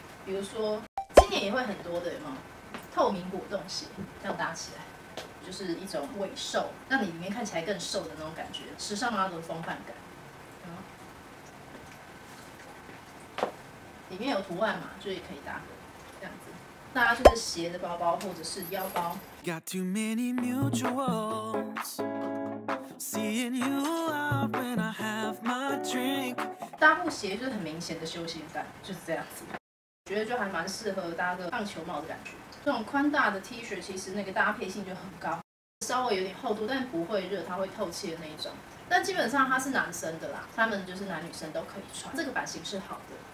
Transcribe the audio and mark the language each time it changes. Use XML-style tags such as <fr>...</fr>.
<zh>比如说，今年也会很多的，有没有透明果冻鞋，这样搭起来。就是一种伪瘦，让你里面看起来更瘦的那种感觉，时尚 model 的风范感。嗯，里面有图案嘛，就也可以搭这样子，搭就是斜的包包或者是腰包。</zh> <en>Got too many mutuals, seeing you out when I have my drink.</en> <zh>搭布鞋就是很明显的休闲感，就是这样子。觉得就还蛮适合搭个棒球帽的感觉。这种宽大的 T 恤其实那个搭配性就很高，稍微有点厚度，但不会热，它会透气的那一种。但基本上它是男生的啦，他们就是男女生都可以穿，这个版型是好的。</zh>